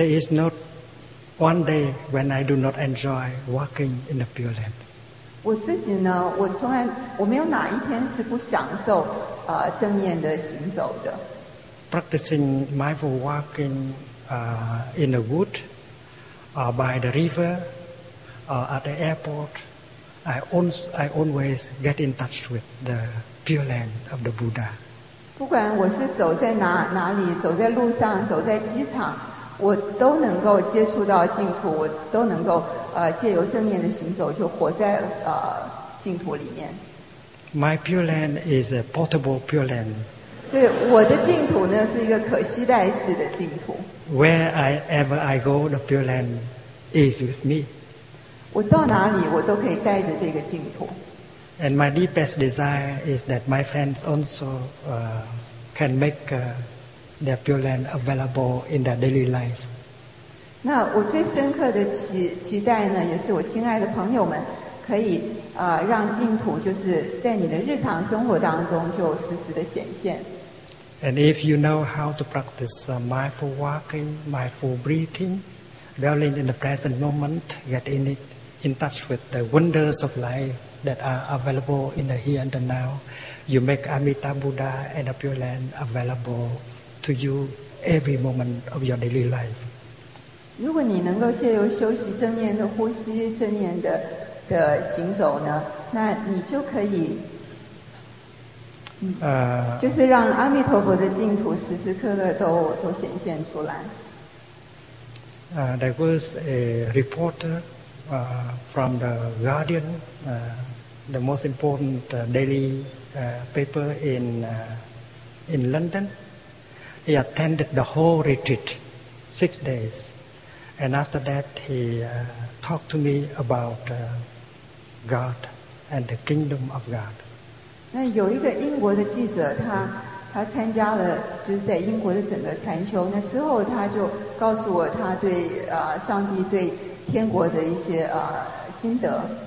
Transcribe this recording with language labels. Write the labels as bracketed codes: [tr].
[en] There is not one day when I do not enjoy walking in the Pure Land. [zh] 我自己呢，我从来我没有哪一天是不享受正念的行走的。 [en] Practicing mindful walking in the wood, or by the river, or at the airport, I always get in touch with the pure land of the Buddha. [zh] 不管我是走在哪里，走在路上，走在机场，我都能够接触到净土，我都能够借由正念的行走，就活在净土里面。 [en] My pure land is a portable pure land. [zh] 所以我的净土呢，是一个可携带式的净土。 [en] Wherever I go, the pure land is with me. [zh] 我到哪里，我都可以带着这个净土。 [en] And my deepest desire is that my friends also can make their pure land available in their daily life. [zh] 那我最深刻的期待呢，也是我亲爱的朋友们可以让净土就是在你的日常生活当中就实时的显现。 [en] And if you know how to practice mindful walking, mindful breathing, dwelling in the present moment, get in touch with the wonders of life that are available in the here and the now, you make Amitabha Buddha and the Pure Land available to you every moment of your daily life. [zh] 如果你能够借由休息正念的呼吸、正念的行走呢，那你就可以。就是让阿弥陀佛的净土时时刻刻都显现出来。 [en] There was a reporter from the Guardian, the most important daily paper in London. He attended the whole retreat, 6 days, and after that he talked to me about God and the kingdom of God. [zh] 那有一个英国的记者，他参加了就是在英国的整个禅修，那之后他就告诉我他对上帝对天国的一些心得。